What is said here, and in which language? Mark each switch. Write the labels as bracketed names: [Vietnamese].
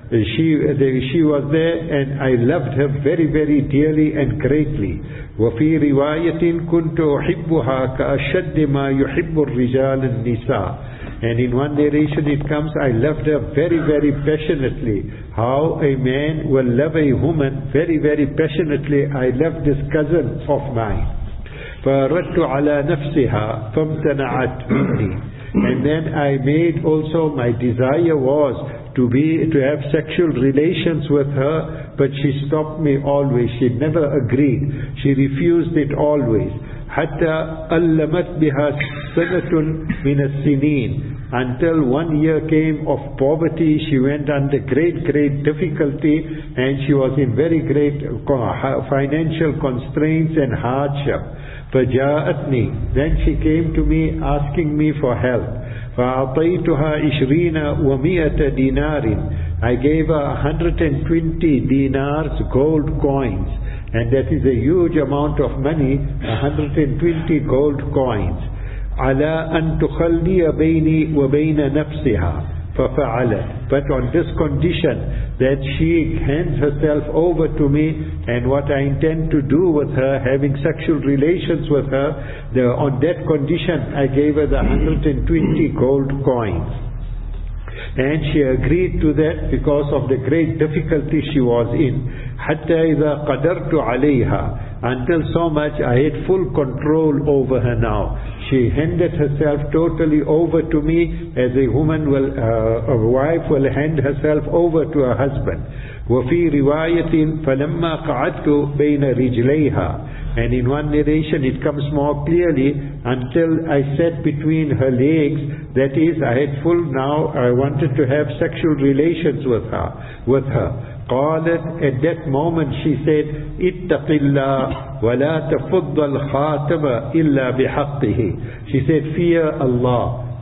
[English] She was there and I loved her very, very dearly and greatly. [Arabic] وفي رواية: كنت أحبها كأشد ما يحب الرجال النساء. [English] And in one narration it comes, I loved her very, very passionately. How a man will love a woman very, very passionately. I loved this cousin of mine. [Arabic] فردت على نفسها فامتنعت مني. [English] And then I made also, my desire was to have sexual relations with her, but she stopped me always. She never agreed. She refused it always. [Arabic] حتى ألمت بها سنة من السنين. [English] Until 1 year came of poverty, she went under great, great difficulty, and she was in very great financial constraints and hardship. [Arabic] فجاءتني. [English] Then she came to me asking me for help. [Arabic] فأعطيتها عشرين ومائة دينار. [English] I gave her 120 dinars, gold coins. And that is a huge amount of money, 120 gold coins. [Arabic] على أن تخلي بيني وبين نفسها. ففعلت. [English] But on this condition that she hands herself over to me, and what I intend to do with her, having sexual relations with her, on that condition I gave her the 120 gold coins. And she agreed to that because of the great difficulty she was in. [Arabic] حتى إذا قدرت عليها. [English] Until so much I had full control over her now. She handed herself totally over to me as a woman will, a wife will hand herself over to her husband. [Arabic] وفي رواية فلما قعدت بين رجليها. [English] And in one narration it comes more clearly, until I sat between her legs, that is I had full now, I wanted to have sexual relations with her. [Arabic] قالت, [English] at that moment she said, [Arabic] اتق الله ولا تفض الخاتم إلا بحقه. [English] She said, fear Allah